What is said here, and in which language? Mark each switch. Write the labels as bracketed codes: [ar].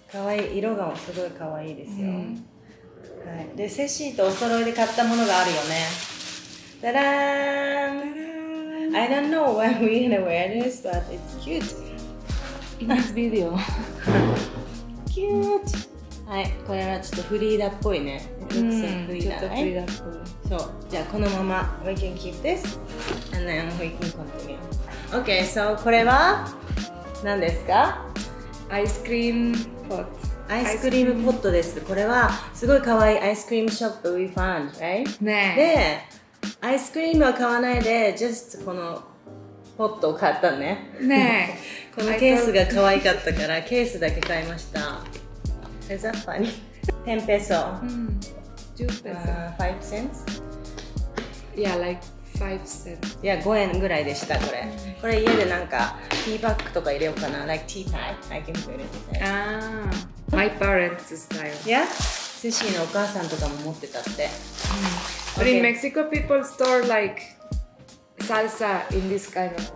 [ja] かわいい、色がすごいかわいいですよ。はい。で、セシーとお揃いで買ったものがあるよね。ダダーン。 [en] I don't know when we're gonna wear this, but it's cute. In this video. cute! [ja] はい、これはちょっとフリーダっぽいね。フリーダ、ちょっとフリーダっぽい。そう、じゃあこのまま、 [en] we can keep this, and then we can continue. [ja] Okay, so これは何ですか? [en] Ice cream pot. [ja] アイスクリームポットです。これはすごい可愛いアイスクリームショップ [en] we found, right? [ja] ねえ。で、アイスクリームは買わないで、just このポットを買ったね。ねえ。このケースが可愛かったから、ケースだけ買いました。 [en] Is that funny? 10 peso. 5 cents? Yeah, like 5 cents. [ja] Yeah, 5円ぐらいでした、これ。これ家でなんか、ティーバッグとか入れようかな。 [en] Like tea type. I can put it there. My parents style. Yeah? [ja] セシーのお母さんとかも持ってたって。 [en] But in Mexico, people store like salsa in this kind of place.